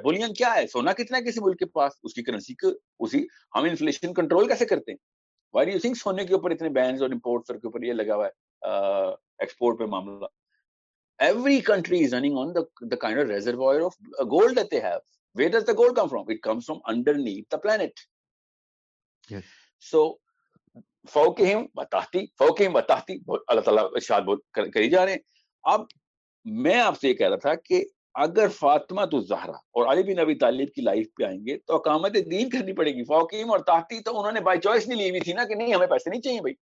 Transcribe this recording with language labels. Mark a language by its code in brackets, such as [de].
[ur] Boolean کیا ہے؟ سونا کتنا ہے کسی ملک کے پاس, اس کی کرنسی کو اسی, ہم انفلیشن کنٹرول کیسے کرتے ہیں؟ [en] why do you think [ur] سونے کے اوپر اتنے بینز اور امپورٹس کے اوپر یہ لگا ہوا ہے ایکسپورٹ پہ معاملہ؟ [en] Every country is running on the kind of reservoir of gold that they have. Where does the gold come from? It comes from underneath the planet. [ur] سو [ar] فوقہم وتحتی, [ur] فوقہم وتحتی, اللہ تعالیٰ ارشاد بول کری جا رہے ہیں. اب میں آپ سے یہ کہہ رہا تھا کہ اگر فاطمہ تو زہرا اور علی بن ابی طالب کی لائف پہ آئیں گے تو اقامت دین کرنی پڑے گی. فوقیم اور تحتی تو انہوں نے بائی چوائس نہیں لی ہوئی تھی نا کہ نہیں ہمیں پیسے نہیں چاہیے بھائی.